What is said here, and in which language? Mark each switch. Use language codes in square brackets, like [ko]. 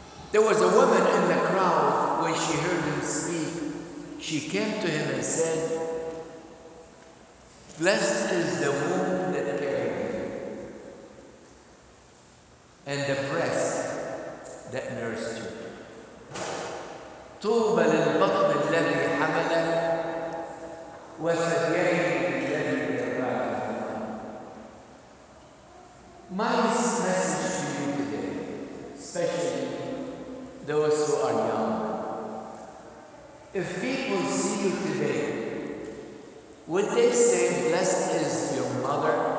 [en] There was a woman in the crowd. When she heard him speak, she came to him and said, "Blessed is the womb that carried you, and the breast that nursed you. [ar] طوبى للبطن الذي حملك وثديك الذي رفعك." [en] My message to you today, especially those who are young, if people see you today, would they say, "Blessed is your mother"?